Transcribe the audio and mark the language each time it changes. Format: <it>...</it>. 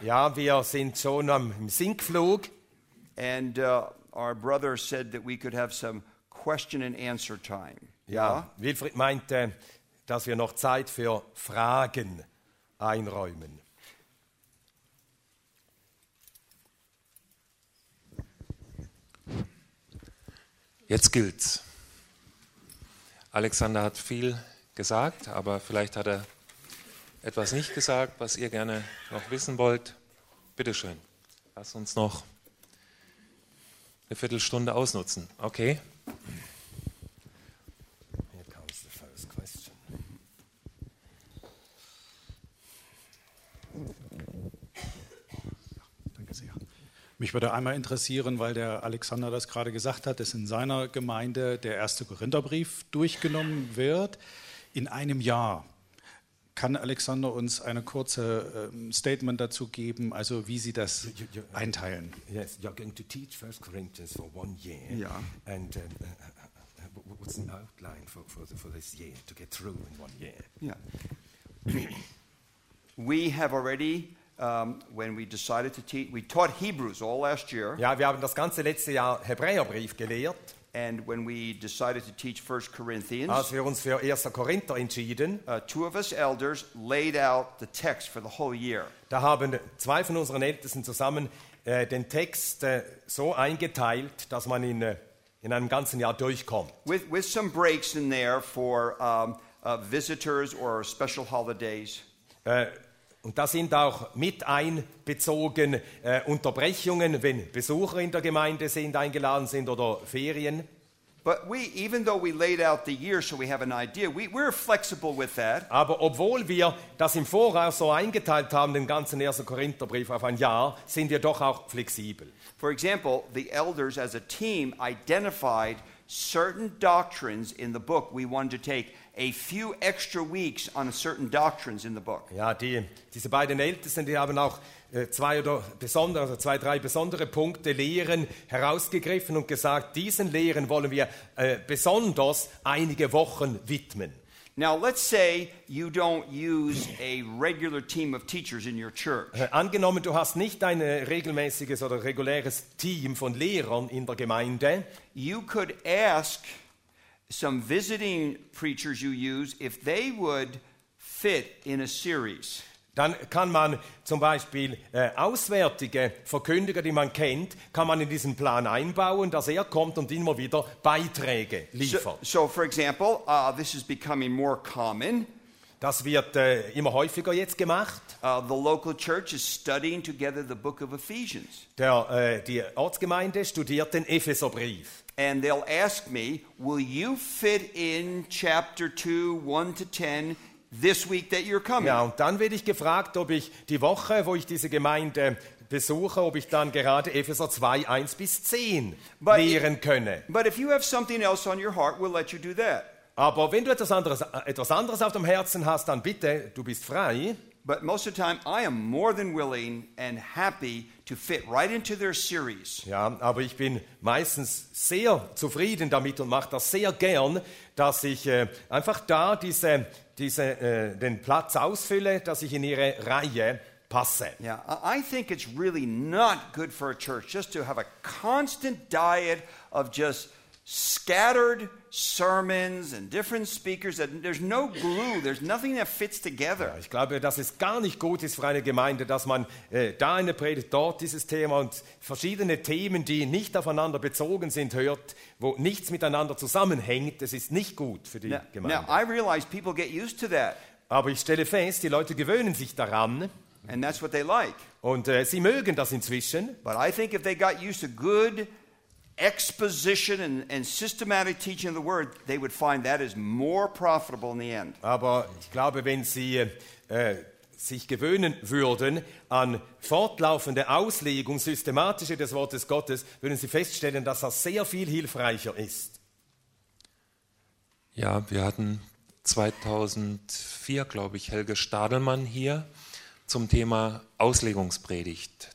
<de>Ja, wir sind schon am Sinkflug.</de> <en>And our brother said that we could have some question and answer time.</en> <de>Ja, Wilfried meinte, dass wir noch Zeit für Fragen einräumen. Jetzt gilt's. Alexander hat viel gesagt, aber vielleicht hat er etwas nicht gesagt, was ihr gerne noch wissen wollt. Bitte schön, lass uns noch eine Viertelstunde ausnutzen. Okay.</de> <en>Here comes the first question.</en> <de>Danke sehr. Mich würde einmal interessieren, weil der Alexander das gerade gesagt hat, dass in seiner Gemeinde der erste Korintherbrief durchgenommen wird. In einem Jahr. Kann Alexander uns eine kurze Statement dazu geben, also wie Sie das einteilen?</de> <en>Yes, you're going to teach 1 Corinthians for one year. Yeah. And what's the outline for this year, to get through in one year? Yeah. We have already, when we decided to teach, we taught Hebrews all last year.</en> <de>Ja, wir haben das ganze letzte Jahr Hebräerbrief gelehrt.</de> <en>And when we decided to teach 1 Corinthians,</en> <de>als wir uns für 1. Korinther entschieden,</de> <en>two of us elders laid out the text for the whole year.</en> <de>Da haben zwei von unseren Ältesten zusammen den Text so eingeteilt, dass man ihn in einem ganzen Jahr durchkommt.</de> <en>With some breaks in there for visitors or special holidays.</en> <de>Und da sind auch mit einbezogen Unterbrechungen, wenn Besucher in der Gemeinde sind, eingeladen sind oder Ferien.</de> <en>But we, even though we laid out the year so we have an idea, we're flexible with that.</en> <de>Aber obwohl wir das im Voraus so eingeteilt haben, den ganzen 1. Korintherbrief auf ein Jahr, sind wir doch auch flexibel.</de> <en>For example, the elders as a team identified certain doctrines in the book we wanted to take a few extra weeks on certain doctrines in the book.</en> <de>Ja, diese beiden Ältesten, die haben auch zwei, drei besondere Punkte, Lehren herausgegriffen und gesagt, diesen Lehren wollen wir besonders einige Wochen widmen.</de> <en>Now let's say you don't use a regular team of teachers in your church.</en> <de>Angenommen, du hast nicht ein regelmäßiges oder reguläres Team von Lehrern in der Gemeinde.</de> <en>You could ask some visiting preachers you use if they would fit in a series.</en> <de>Dann kann man zum Beispiel auswärtige Verkündiger, die man kennt, kann man in diesen Plan einbauen, dass er kommt und immer wieder Beiträge liefert.</de> <en>So for example, this is becoming more common.</en> <de>Das wird immer häufiger jetzt gemacht.</de> <en>The local church is studying together the book of Ephesians.</en> <de>Die Ortsgemeinde studiert den Epheserbrief.</de> <en>And they'll ask me, will you fit in chapter 2, 1 to 10 this week that you're coming?</en> <de>Ja, und dann werde ich gefragt, ob ich die Woche, wo ich diese Gemeinde besuche, ob ich dann gerade Epheser 2, 1 bis 10 lehren könne.</de> <en>But if you have something else on your heart, we'll let you do that.</en> <de>Aber wenn du etwas anderes auf dem Herzen hast, dann bitte, du bist frei.</de> <en>But most of the time, I am more than willing and happy to fit right into their series.</en> <de>Ja, aber ich bin meistens sehr zufrieden damit und mache das sehr gern, dass ich einfach da den Platz ausfülle, dass ich in ihre Reihe passe.</de> <en>Yeah, I think it's really not good for a church just to have a constant diet of just scattered sermons and different speakers, that there's no glue, there's nothing that fits together.</en> <de>Ich glaube, dass es gar nicht gut ist für eine Gemeinde, dass man da eine Predigt, dort dieses Thema und verschiedene Themen, die nicht aufeinander bezogen sind, hört, wo nichts miteinander zusammenhängt. Das ist nicht gut für die Gemeinde.</de> <en>Now, I realize people get used to that.</en> <de>Aber ich stelle fest, die Leute gewöhnen sich daran.</de> <en>And that's what they like.</en> <de>Und sie mögen das inzwischen.</de> <en>But I think if they got used to good exposition and systematic teaching of the word, they would find that is more profitable in the end.</en> <de>Aber ich glaube, wenn sie sich gewöhnen würden an fortlaufende Auslegung systematische des Wortes Gottes, würden sie feststellen, dass das sehr viel hilfreicher ist. Ja, wir hatten 2004, glaube ich, Helge Stadelmann hier zum Thema Auslegungspredigt.</de>